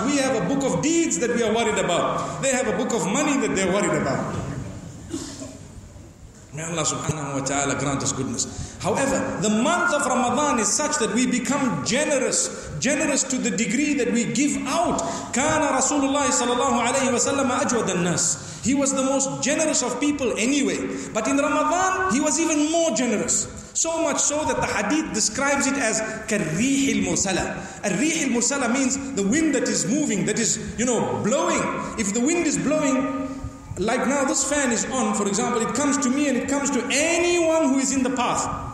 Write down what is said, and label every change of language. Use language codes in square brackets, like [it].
[en] We have a book of deeds that we are worried about. They have a book of money that they're worried about. May Allah subhanahu wa ta'ala grant us goodness. However, the month of Ramadan is such that we become generous to the degree that we give out. [ar] كان رسول الله صلى الله عليه وسلم أجود الناس. [en] He was the most generous of people anyway. But in Ramadan, he was even more generous. So much so that the hadith describes it as [ar] كالريح المرسلة. الريح المرسلة [en] means the wind that is moving, that is, you know, blowing. If the wind is blowing, like now this fan is on, for example, it comes to me and it comes to anyone who is in the path.